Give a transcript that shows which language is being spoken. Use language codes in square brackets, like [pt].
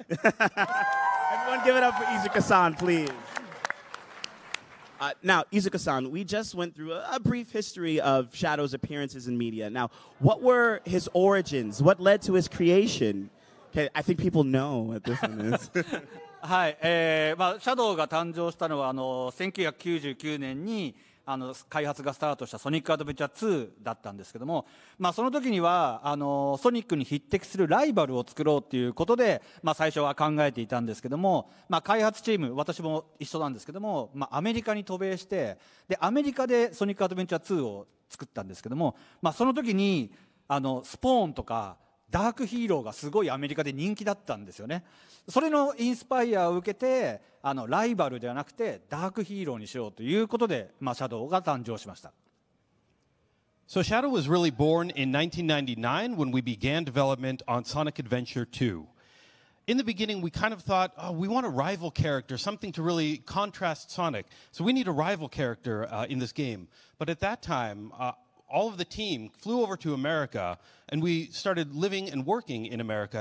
[en] Everyone give it up for Iizuka-san, please. Now, Iizuka-san, we just went through a brief history of Shadow's appearances in media. Now, what were his origins? What led to his creation? Okay, I think people know what this one is. [ja] シャドウが誕生したのは 1999年にソニックアドベンチャー2だったんですけども、その時にはソニックに匹敵するライバルを作ろうということで、最初は考えていたんですけども、開発チーム、私も一緒なんですけども、アメリカに渡米して、で、アメリカでソニックアドベンチャー2を作ったんですけども、その時にスポーンとか、 ダークヒーローがすごいアメリカで人気だったんですよね。それのインスパイアを受けて、ライバルではなくてダークヒーローにしようということで、シャドウが誕生しました。So [en] Shadow was really born in 1999 when we began development on Sonic Adventure 2. In the beginning, we kind of thought, oh, we want a rival character, something to really contrast Sonic. So we need a rival character in this game. But at that time, all of the team flew over to America, and we started living and working in America.